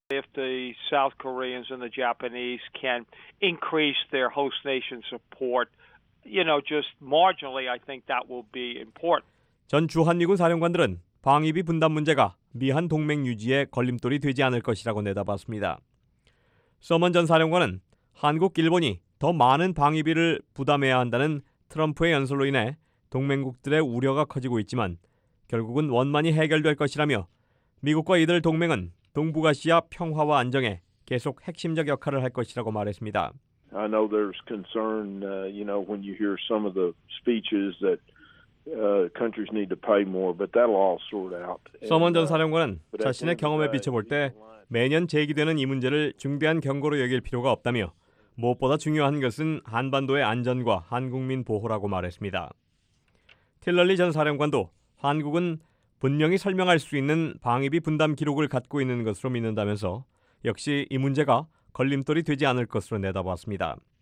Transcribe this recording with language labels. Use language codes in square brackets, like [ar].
[en] If the South Koreans and the Japanese can increase their host nation support, you know, just marginally, I think that will be important. [ko] 전 주한미군 사령관들은 방위비 분담 문제가 미한 동맹 유지에 걸림돌이 되지 않을 것이라고 내다봤습니다. 서먼 전 사령관은 한국, 일본이 더 많은 방위비를 부담해야 한다는 트럼프의 연설로 인해 동맹국들의 우려가 커지고 있지만 결국은 원만히 해결될 것이라며 미국과 이들 동맹은 동북아시아 평화와 안정에 계속 핵심적 역할을 할 것이라고 말했습니다. [en] I know there's concern, you know, when you hear some of the speeches that countries need to pay more, but that'll all sort out. [ko] 서먼 전 사령관은 자신의 경험에 비춰볼 때 매년 제기되는 이 문제를 중대한 경고로 여길 필요가 없다며 무엇보다 중요한 것은 한반도의 안전과 한국민 보호라고 말했습니다. 틸러리 전 사령관도 한국은 분명히 설명할 수 있는 방위비 분담 기록을 갖고 있는 것으로 믿는다면서 역시 이 문제가 걸림돌이 되지 않을 것으로 내다봤습니다.